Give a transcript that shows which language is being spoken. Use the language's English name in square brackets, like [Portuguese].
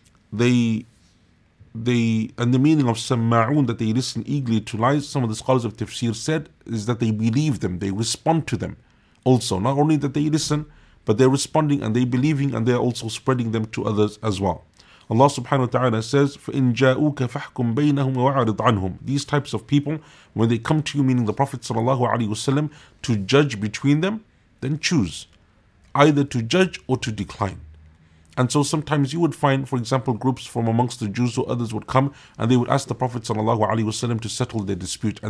[English] And the meaning of sama'un, that they listen eagerly to lies, some of the scholars of tafsir said, is that they believe them, they respond to them. Also, not only that they listen, but they're responding and they're believing and they're also spreading them to others as well. Allah subhanahu wa ta'ala says, [Arabic] فَإِن جَاءُوكَ فَحْكُمْ بَيْنَهُمْ وَعَرِضْ عَنْهُمْ. [English] These types of people, when they come to you, meaning the Prophet sallallahu alayhi wasallam, to judge between them, then choose. Either to judge or to decline. And so sometimes you would find, for example, groups from amongst the Jews or others would come and they would ask the Prophet sallallahu alayhi wasallam to settle their dispute.